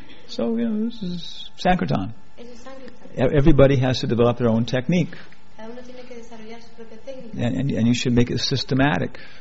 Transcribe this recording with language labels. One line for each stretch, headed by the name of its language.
English: So, you know, this is Sankirtan. Everybody has to develop their own technique.
Spanish: Cada uno tiene que desarrollar su propia técnica.
English: And you should make it systematic.